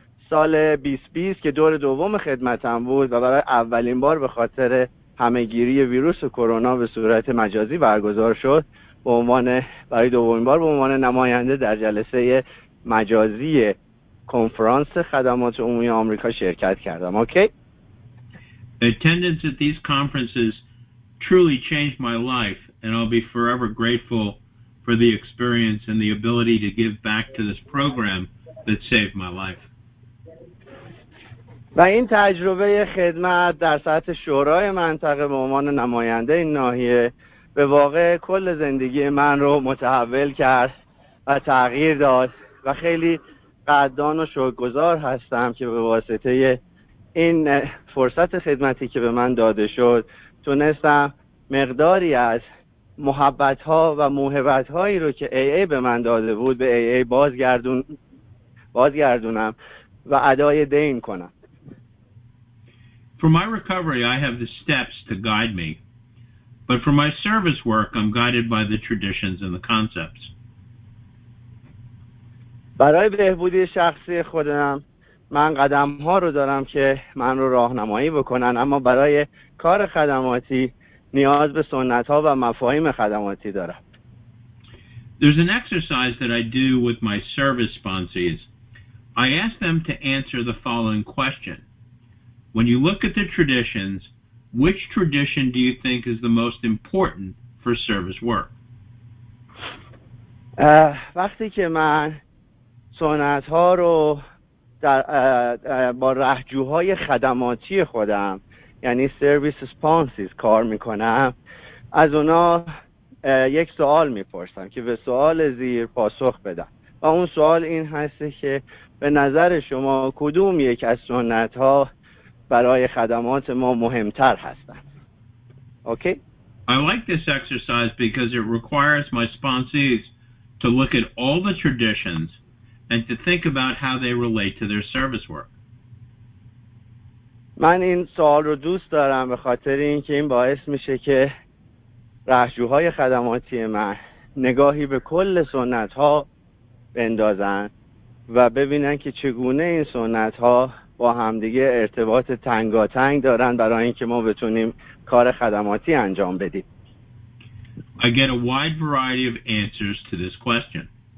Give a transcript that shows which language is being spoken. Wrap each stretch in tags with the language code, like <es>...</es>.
<fa>سال 2020 که دور دوم خدمتم بود و برای اولین بار به خاطر همه‌گیری ویروس کرونا به صورت مجازی برگزار شد به عنوان برای دومین بار به عنوان نماینده در جلسه مجازی کنفرانس خدمات عمومی آمریکا شرکت کردم.</fa> <en>Okay? Attendance at these conferences truly changed my life and I'll be forever grateful for the experience and the ability to give back to this program that saved my life.</en> <fa>و این تجربه خدمت در سطح شورای منطقه به عنوان نماینده این ناحیه به واقع کل زندگی من رو متحول کرد و تغییر داد و خیلی قدردان و شکرگزار هستم که به واسطه این فرصت خدمتی که به من داده شد تونستم مقداری از محبت ها و موهبت هایی رو که AA به من داده بود به AA بازگردونم و ادای دین کنم.</fa> <en>For my recovery I have the steps to guide me, but for my service work I'm guided by the traditions and the concepts.</en> <fa>برای بهبودی شخصی خودم من قدم ها رو دارم که من رو راهنمایی بکنن، اما برای کار خدماتی نیاز به سنت ها و مفاهیم خدماتی دارم.</fa> <en>There's an exercise that I do with my service sponsees. I ask them to answer the following question. When you look at the traditions, which tradition do you think is the most important for service work?</en> <fa>وقتی که من سنت ها رو در با رهجوهای خدماتی خودم یعنی سرویس اسپانسرز کار میکنم، از اونا یک سوال میپرسم که به سوال زیر پاسخ بدم، و اون سوال این هست که به نظر شما کدوم یک از سنت ها برای خدمات ما مهمتر هستند.</fa> <en>Okay. I like this exercise because it requires my sponsees to look at all the traditions and to think about how they relate to their service work.</en> <fa>من این سوال رو دوست دارم به خاطر اینکه این باعث میشه که رهجوهای خدماتی من نگاهی به کل سنت ها بندازن و ببینن که چگونه این سنت ها با همدیگه ارتباط تنگاتنگ دارن برای اینکه ما بتونیم کار خدماتی انجام بدیم.</fa> <en>I get a wide variety of answers to this question.</en>